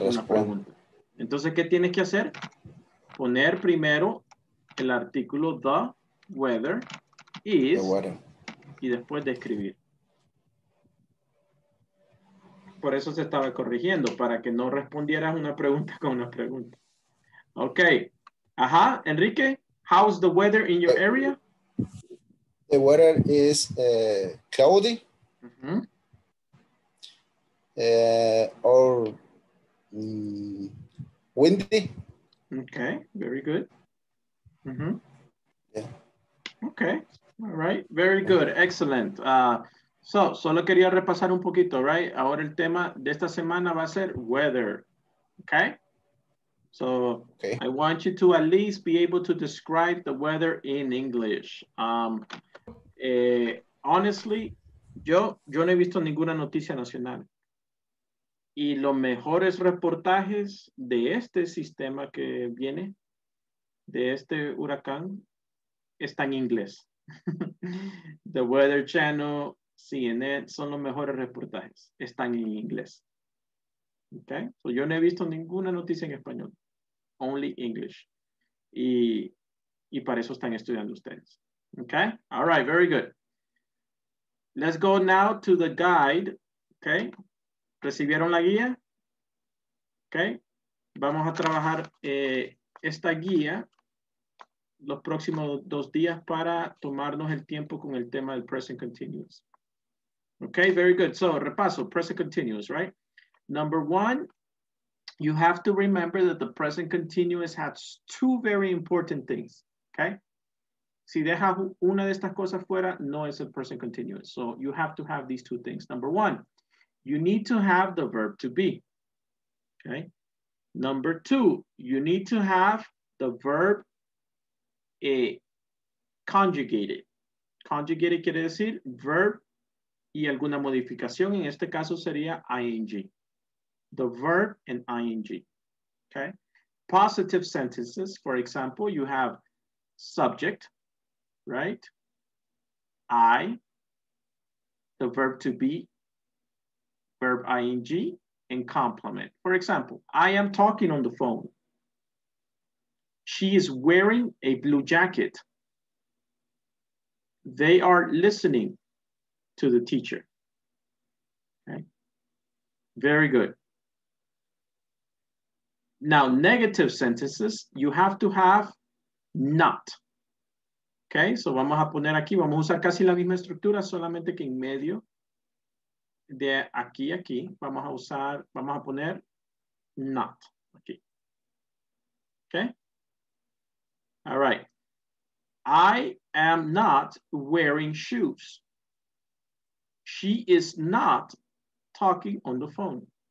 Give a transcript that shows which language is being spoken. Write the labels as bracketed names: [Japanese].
[Spanish] una pregunta. Entonces, ¿qué tienes que hacer? Poner primero el artículo [English] the weather is the weather. [Spanish] Y después describir. Por eso se estaba corrigiendo, para que no respondieras una pregunta con una pregunta. [English] Ok. Ajá, Enrique, how's the weather in your area? The weather is cloudy. Mm-hmm. Or windy. Okay, very good. Mm-hmm. Yeah. Okay, all right, very good, excellent. [Spanish] Solo quería repasar un poquito, [English] right? [Spanish] Ahora el tema de esta semana va a ser weather, okay? [English] So, okay. I want you to at least be able to describe the weather in English. [Spanish] Honestly, yo no he visto ninguna noticia nacional. Y los mejores reportajes de este sistema que viene, de este huracán, están en inglés. The Weather Channel, CNN, son los mejores reportajes. Están en inglés. Okay? So yo no he visto ninguna noticia en español. [English] Only English. [Spanish] Y para eso están estudiando ustedes. [English] Okay? All right, very good. Let's go now to the guide. Okay? [Spanish] ¿Recibieron la guía? [English] Ok. [Spanish] Vamos a trabajar esta guía los próximos dos días para tomarnos el tiempo con el tema del present continuous. [English] Ok, very good. So, repaso, present continuous, right? Number one, you have to remember that the present continuous has two very important things. Ok. [Spanish] Si dejas una de estas cosas fuera, no es el present continuous. [English] So, you have to have these two things. Number one, you need to have the verb to be, okay? Number two, you need to have the verb conjugated. [Spanish] Conjugated quiere decir verb y alguna modificación. En este caso sería ing. [English] The verb and ing, [Spanish] okay? [English] Positive sentences, for example, you have subject, right? I, the verb to be, verb ing, and complement. For example, I am talking on the phone. She is wearing a blue jacket. They are listening to the teacher. Okay. Very good. Now, negative sentences, you have to have not. [Spanish] Okay, so vamos a poner aquí, vamos a usar casi la misma estructura, solamente que en medio. De aquí a aquí, vamos a usar, vamos a poner not aquí. Okay? All right. [English] I am not wearing shoes. She is not talking on the phone.